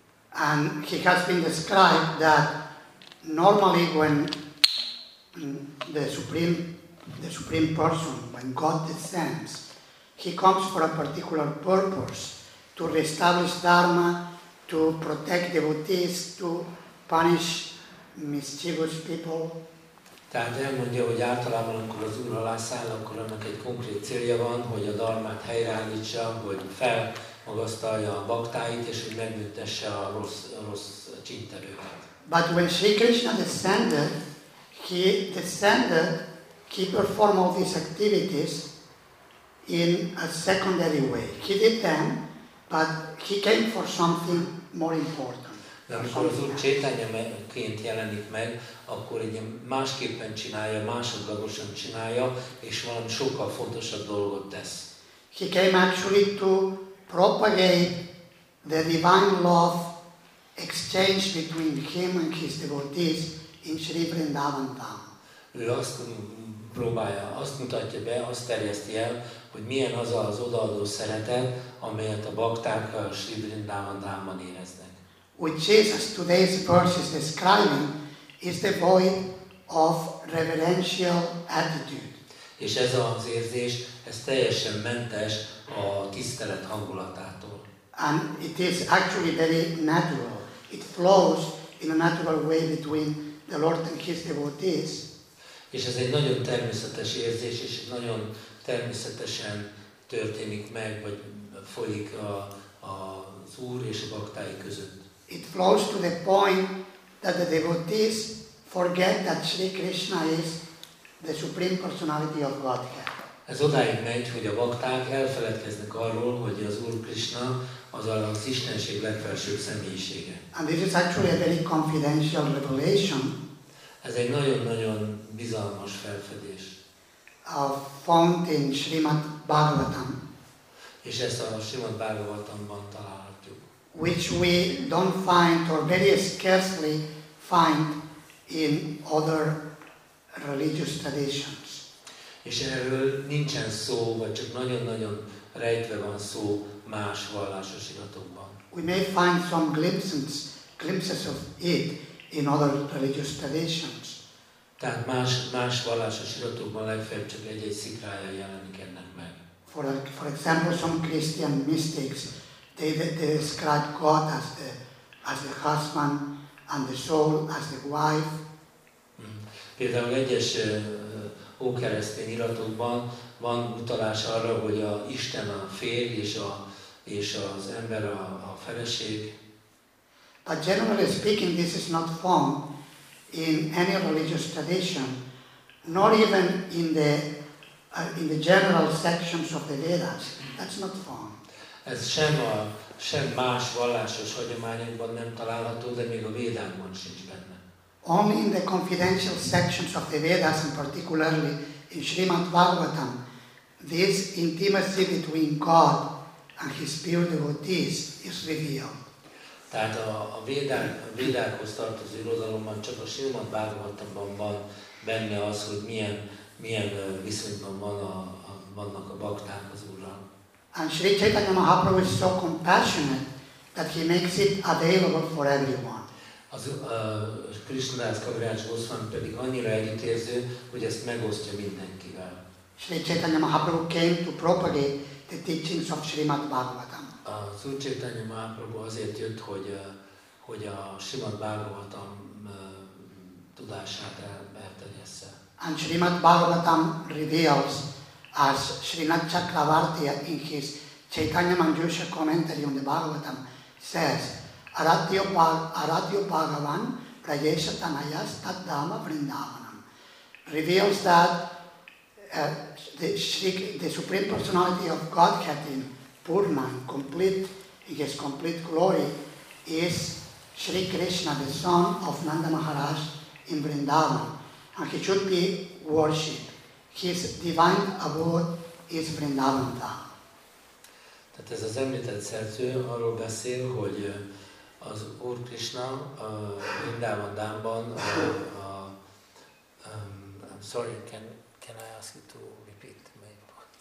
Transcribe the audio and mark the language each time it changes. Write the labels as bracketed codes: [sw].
[en] And he has been described that normally when the supreme person, when God descends, he comes for a particular purpose, to reestablish dharma, to protect devotees, to punish mischievous people. [hu] Tehát elmondja, hogy általában, amikor az Úr alá száll, akkor annak egy konkrét célja van, hogy a dharmát helyreállítsa, hogy felmagasztalja a baktáit, és hogy megbüntesse a rossz csinterőket. [en] But when Sri Krishna descended, he performed all these activities in a secondary way. He did them, but he came for something more important. [hu] De amikor az Úr Csétanyaként jelenik meg, akkor egy másképpen csinálja, másodlagosan csinálja, és valami sokkal fontosabb dolgot tesz. [en] He came actually to propagate the divine love exchange between him and his devotees in Sri Vrindavan town. [hu] Ő azt próbálja, azt mutatja be, azt terjeszti el, hogy milyen az az odaadó szeretet, amelyet a bakták a Sri Vrindavan Dhamban éreznek. [en] What Jesus today's verse is describing is the void of reverential attitude. [hu] És ez az érzés, ez teljesen mentes a tisztelet hangulatától. [en] And it is actually very natural. It flows in a natural way between the Lord and his devotees. [hu] És ez egy nagyon természetes érzés, és nagyon természetesen történik meg, vagy folyik az Úr és a baktái között. [en] It flows to the point that the devotees forget that Sri Krishna is the Supreme Personality of Godhead. [hu] Ez odáig megy, hogy a bakták elfeledkeznek arról, hogy az Úr Krishna az az Istenség legfelsőbb személyisége. [en] And this is actually a very confidential revelation. [hu] Ez egy nagyon-nagyon bizalmas felfedés. [en] A font in Srimad Bhagavatam. [hu] És ezt a Srimad Bhagavatamban találhatjuk. [en] Which we don't find or very scarcely find in other religious traditions. [hu] És erről nincsen szó, vagy csak nagyon-nagyon rejtve van szó más vallásos iratokban. [en] We may find some glimpses of it in other religious traditions. [hu] Tehát más vallásos iratokban legfeljebb csak egy-egy szikrája jelenik ennek meg. [en] For example, some Christian mystics, they describe God as the husband and the soul as the wife. [hu] Például egyes ókeresztény iratokban van utalás arra, hogy a Isten a férj és az ember a feleség. [en] But generally speaking, this is not found in any religious tradition, nor even in the general sections of the Vedas. That's not found. [hu] Ez sem más vallásos hagyományokban nem található, de még a Védákban sincs benne. [en] Only in the confidential sections of the Vedas, and particularly in Srimad Bhagavatam, this intimacy between God and His pure devotees is revealed. [hu] Tehát a Védákhoz tartozó irodalomban csak a Srimad Bhagavatamban van benne az, hogy milyen viszonyban vannak a bakták az Úrral. [en] And Sri Chaitanya Mahaprabhu is so compassionate that he makes it available for everyone. [hu] Az Krisnadász Kaviráj Goswami pedig annyira együttérző, hogy ezt megosztja mindenkivel. [en] Sri Chaitanya Mahaprabhu came to propagate the teachings of Srimad Bhagavatam. [hu] Az Úr Chaitanya Mahaprabhu azért jött, hogy a Srimad Bhagavatam tudását elterjessze. [en] And Srimad Bhagavatam reveals, as Srinath Chakravartya in his Chaitanya Manjusha commentary on the Bhagavatam says, [sa] Aratyo Bhagavan Prayesha Tanayas Tat Dhamma Vrindavanam, [en] reveals that the Supreme Personality of Godhead in Purna, his complete glory, is Sri Krishna, the son of Nanda Maharaj in Vrindavan, and he should be worshipped. His divine abode is Vrindavan. [hu] Tehát ez az említett szerző arról beszél, hogy az Úr Krishna Vrindavan-dámban, [en] I'm sorry, can I ask you to repeat my point?